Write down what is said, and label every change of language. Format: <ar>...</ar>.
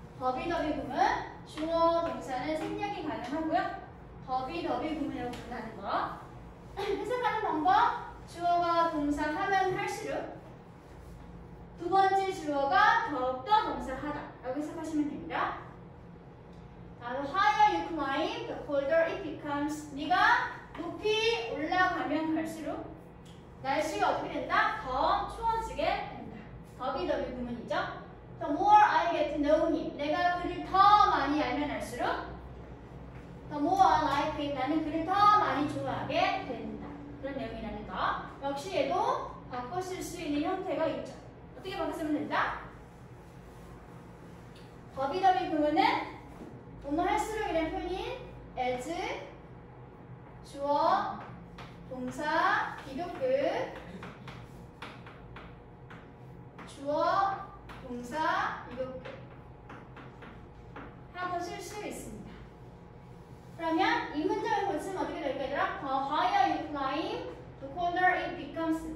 <ko>더비더비 구문, 주어 동사는 생략이 가능하고요. 더비더비 구문이라고 부른다는 거. 해석하는 방법, 주어가 동사하면 할수록 두 번째 주어가 더욱더 동사하다라고 해석하시면 됩니다.</ko> <en>The higher you climb, the colder it becomes.</en> <ko>네가 높이 올라가면 갈수록 날씨가 어떻게 된다? 더 추워지게 된다. 더비더비 구문이죠.</ko> <en>The more I get to know him,</en> <ko>내가 그를 더 많이 알면 알수록</ko> <en>The more I like it,</en> <ko>나는 그를 더 많이 좋아하게 된다. 그런 내용이라는 거. 역시 얘도 바꿔 쓸 수 있는 형태가 있죠. 어떻게 바꿔 쓰면 된다? 더비더비 구문은 뭐뭐 할수록 이라는 표현인 as, 주어, 동사, 비교급 주어 동사 이것 하고 쓸 수 있습니다. 그러면 이 문장을 고치면 어떻게 될까요? 얘들아?</ko> <en>The higher you climb, the colder it becomes.</en>